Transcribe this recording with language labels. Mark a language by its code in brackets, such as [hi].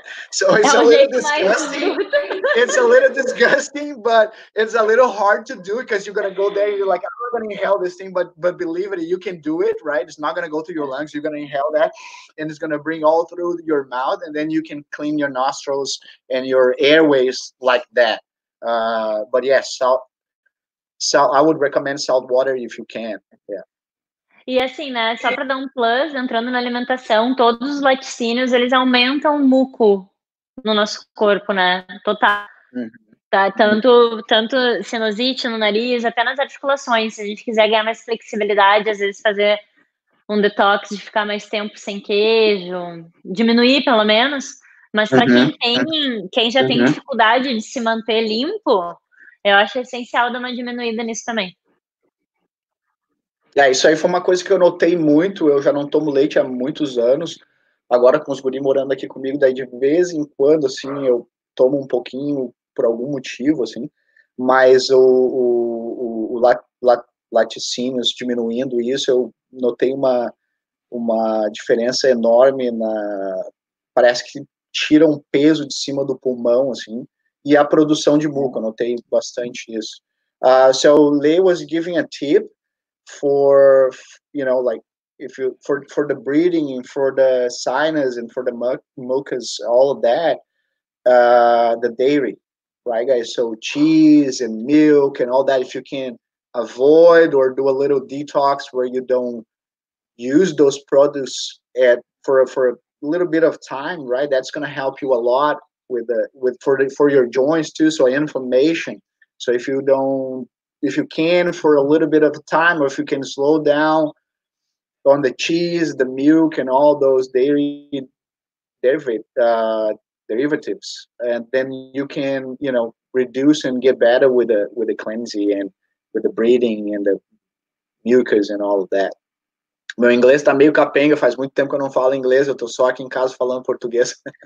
[en] So it's a little disgusting. It's a little disgusting, but it's a little hard to do because you're going to go there and you're like, I'm not going to inhale this thing, but believe it, you can do it, right? It's not going to go through your lungs. You're going to inhale that and it's going to bring all through your mouth, and then you can clean your nostrils and your airways like that. But yes, so I would recommend salt water if you can. Yeah. [pt] E assim, né, só para dar um plus, entrando na alimentação, todos os laticínios, eles aumentam o muco no nosso corpo, né, total. Tá? Tanto sinusite no nariz, até nas articulações, se a gente quiser ganhar mais flexibilidade, às vezes fazer um detox de ficar mais tempo sem queijo, diminuir pelo menos, mas para quem já tem dificuldade de se manter limpo, eu acho essencial dar uma diminuída nisso também. É, isso aí foi uma coisa que eu notei muito. Eu já não tomo leite há muitos anos. Agora, com os guri morando aqui comigo, daí de vez em quando, assim, eu tomo um pouquinho por algum motivo, assim. Mas o laticínios diminuindo isso, eu notei uma diferença enorme na... Parece que tira um peso de cima do pulmão, assim. E a produção de muco, eu notei bastante isso. [en] So, Lei was giving a tip for, you know, like if you for the breathing and for the sinus and for the mucus, all of that, the dairy, right, guys? So cheese and milk and all that, if you can avoid or do a little detox where you don't use those produce for a little bit of time, right, that's going to help you a lot for your joints too. So inflammation, so if you don't, if you can for a little bit of time, or if you can slow down on the cheese, the milk, and all those dairy derivatives, and then you can, you know, reduce and get better with the cleansing and with the breathing and the mucus and all of that. [pt] Meu inglês tá meio capenga, faz muito tempo que eu não falo inglês, eu tô só aqui em casa falando português.